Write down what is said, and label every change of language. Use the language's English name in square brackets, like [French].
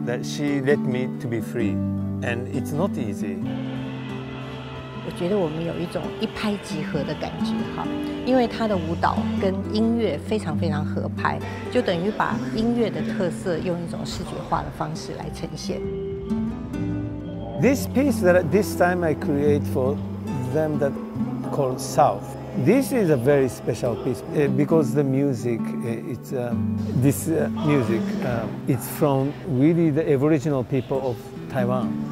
[English] That she let me to be free, and it's not easy. [Chinese] 我觉得我们有一种一拍即合的感觉哈，因为他的舞蹈跟音乐非常非常合拍，就等于把音乐的特色用一种视觉化的方式来呈现。 [English] This piece that this time I create for them that called South. This is a very special piece because the music, it's this music, it's from really the Aboriginal people of Taiwan.